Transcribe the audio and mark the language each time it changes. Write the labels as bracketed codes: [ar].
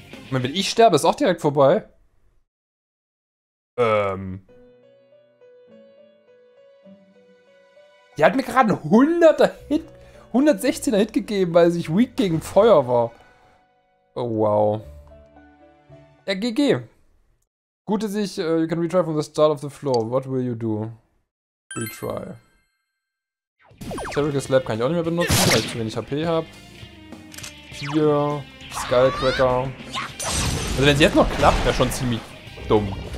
[de] Und wenn ich sterbe, ist auch direkt vorbei. Die hat mir gerade einen 100er Hit, 116er Hit gegeben, weil ich weak gegen Feuer war. Oh, wow. Ja, GG. Gute Sicht, [en] you can retry from the start of the floor. What will you do? Retry. [de] Terrible Slap kann ich auch nicht mehr benutzen, weil ich zu wenig HP habe. Hier, Skullcracker. Also wenn es jetzt noch klappt, wäre schon ziemlich dumm.